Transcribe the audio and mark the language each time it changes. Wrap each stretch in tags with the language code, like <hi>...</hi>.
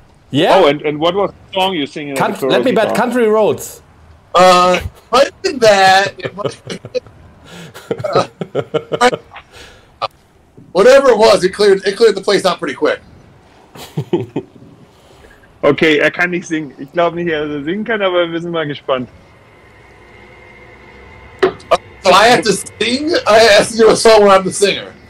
<en>Yeah. Oh, and what was the song you singing? Let me bet. Country Roads. Other than that, whatever it was, it cleared the place out pretty quick.</en> <de>Okay, er kann nicht singen. Ich glaube nicht, dass er singen kann, aber wir sind mal gespannt.</de> <en>So I have to sing? I have to do a song when I'm the singer.</en>